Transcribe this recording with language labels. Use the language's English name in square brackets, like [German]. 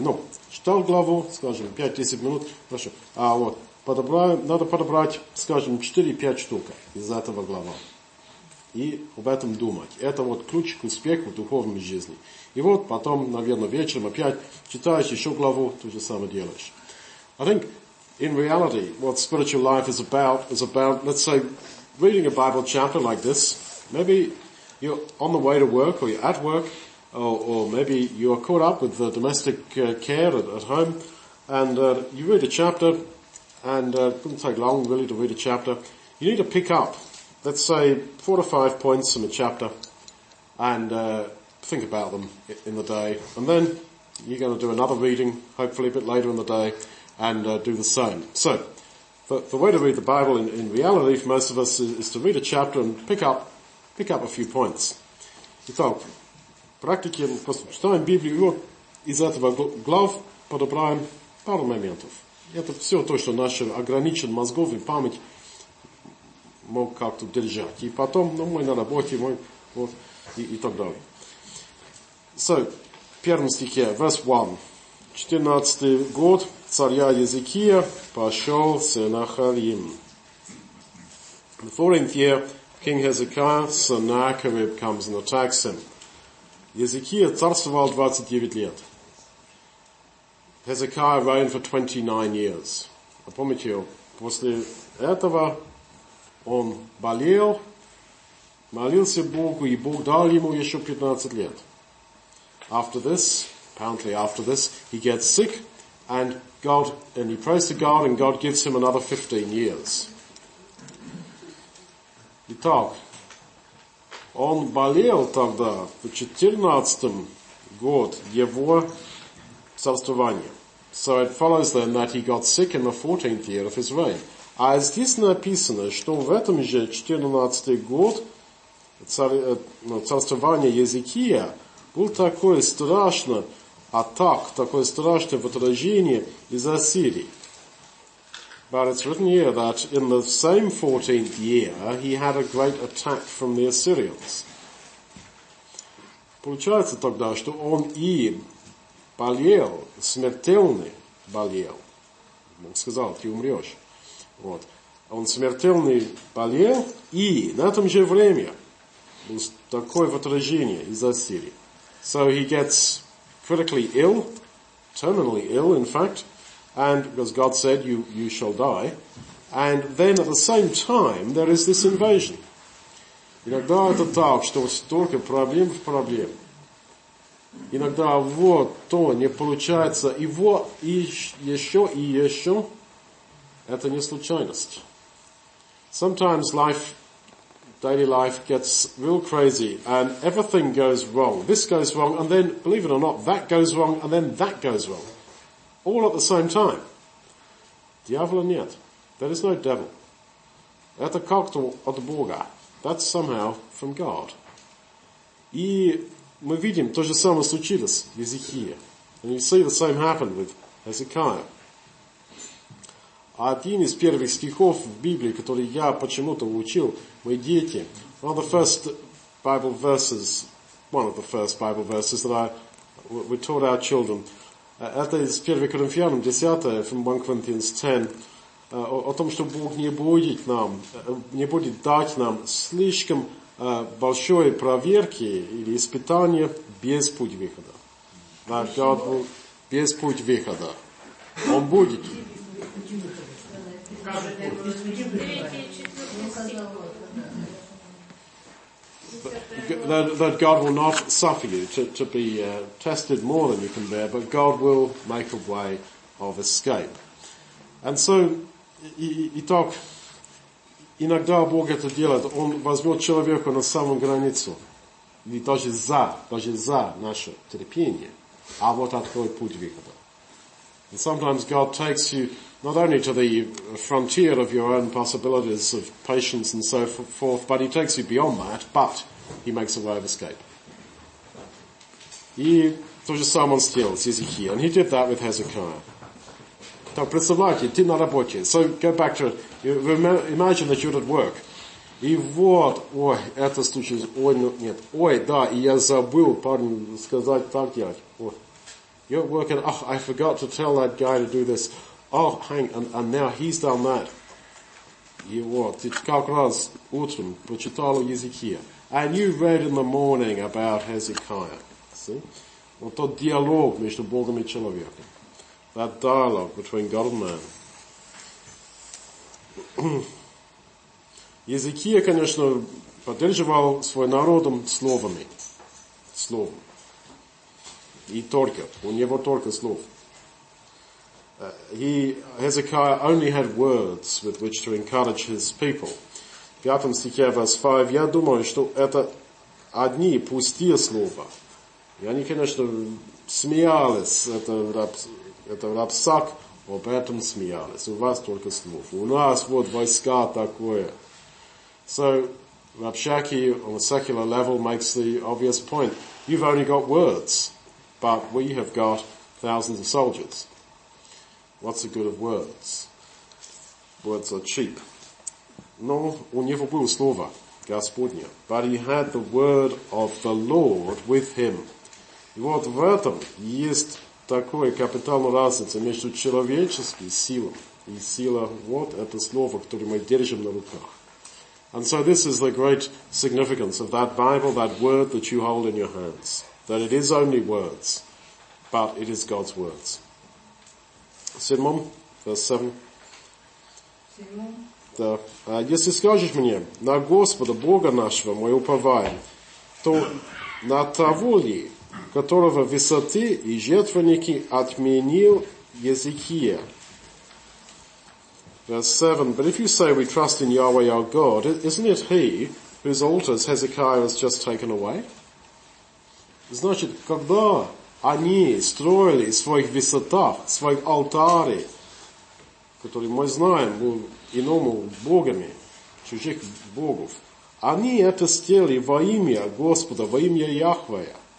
[Russian] Ну, читал главу, скажем, 5-10 минут, хорошо. А вот, надо подобрать, скажем, 4-5 штук из этого глава. И об этом думать. Это вот ключ к успеху в духовной жизни. И вот потом, наверное, вечером опять читаешь еще главу, то же самое делаешь. [English] I think, in reality, what spiritual life is about, let's say, reading a Bible chapter like this. Maybe you're on the way to work or you're at work, or maybe you are caught up with the domestic care at home, and you read a chapter, and it doesn't take long really to read a chapter. You need to pick up, let's say, 4 to 5 points from a chapter, and think about them in the day. And then you're going to do another reading, hopefully a bit later in the day, and do the same. So the way to read the Bible in reality for most of us is to read a chapter and pick up a few points. You thought, [Russian] практики, просто читаем Библию, вот из этого глав подобраем пару моментов. Это все то, что наш ограничен мозгов и память мог как-то держать. И потом, ну, мы на работе, мы вот, и так далее. So, в первом стихе, [English] verse 1. [Russian] 14-й год, царя Езекия пошел Сеннахерим. [English] The 14th year, King Hezekiah, Sennacherib comes and attacks him. [Russian] Езекия царствовал 29 лет. [English] Hezekiah reigned for 29 years. [Russian] А помните, после этого он болел, молился Богу, и Бог дал ему еще 15 лет. [English] After this, apparently after this, he gets sick, and he prays to God, and God gives him another 15 years. [Russian] Итак, он болел тогда в 14-м год его царствования. [English] So it follows then that he got sick in the 14th year of his reign. [Russian] А здесь написано, что в этом же 14-й год царствования Езекия был такой страшный атак, такое страшное вторжение из Ассирии. [English] But it's written here that in the same 14th year he had a great attack from the Assyrians. [Russian] Получается тогда, что он и болел, смертельный болел. Он сказал, ты умрешь. Вот. Он смертельный болел, и на том же время было такое вторжение из Ассирии. [English] So he gets critically ill, terminally ill, in fact, and because God said, you shall die. And then at the same time, there is this invasion. [Russian] Иногда это так, что столько проблем в проблем. Иногда вот то не получается, и вот и еще, это не случайность. [English] Sometimes life, daily life gets real crazy, and everything goes wrong. This goes wrong, and then, believe it or not, that goes wrong, and then that goes wrong. All at the same time. [Russian] Дьявола нет. [English] There is no devil. [Russian] Это как-то от Бога. [English] That's somehow from God. [Russian] И мы видим, то же самое случилось в Езекии. [English] And you see the same happened with Hezekiah. [Russian] Один из первых стихов в Библии, который я почему-то учил, мои дети. [English] One of the first Bible verses, one of the first Bible verses that we taught our children. [Russian] Это из 1 Коринфянам 10, [English] from 1 Corinthians 10. [Russian] О том, что Бог не будет дать нам слишком большой проверки или испытания без пути выхода. [English] That God will, [Russian] без пути выхода. Он будет. [English] That God will not suffer you to be tested more than you can bear, but God will make a way of escape. And so, [Russian] итак, иногда Бог это делает. Он возьмет человека на самую границу, и даже за наше терпение, а вот откроет путь выхода. [English] And sometimes God takes you not only to the frontier of your own possibilities of patience and so forth, but he takes you beyond that, but he makes a way of escape. [Russian] И то же самое с телом, с Езекией. [English] And he did that with Hezekiah. [Russian] Так представляете, ты на работе. [English] So go back to it. Imagine that you're at work. [Russian] И вот, ой, это случилось, ой, нет, ой, да, и я забыл, парни, сказать так делать. [English] You're working, oh, I forgot to tell that guy to do this. Oh, hang, and now he's done that. [Russian] И вот, ты как раз утром прочитал Езекия. [English] And you read in the morning about Hezekiah. See? [Russian] Вот тот диалог между Богом и человеком. [English] That dialogue between God and man. [Russian] Езекия, конечно, поддерживал свой народом словами. Словом. И только. У него только слов. [English] Hezekiah only had words with which to encourage his people. [Russian] В 5 стихе, [English] verse 5, [Russian] я думаю, что это одни пустые слова. И они, конечно, смеялись. Это Рабсак, об этом смеялись. У вас только слов. У нас вот войска такое. [English] So, Rabshakeh, on a secular level, makes the obvious point. You've only got words, but we have got thousands of soldiers. What's the good of words? Words are cheap. [Russian] Но у него было слово, Господня. [English] But he had the word of the Lord with him. [Russian] И вот в этом есть такая капитальная разница между человеческой силой и силой. Вот это слово, которое мы держим на руках. [English] And so this is the great significance of that Bible, that word that you hold in your hands. That it is only words, but it is God's words. [Russian] Седьмом, [English] verse 7. [Russian] Седьмом. Да. Если скажешь мне, на Господа, Бога нашего, мы уповаем, то на того ли, которого высоты и жертвенники отменил Езекия? [English] Verse 7, but if you say we trust in Yahweh our God, isn't it he whose altars Hezekiah has just taken away? [Russian] Значит, когда они строили своих высотах, своих алтарей, которые мы знаем, были иному богами, чужих богов, они это сделали во имя Господа, во имя Яхвея.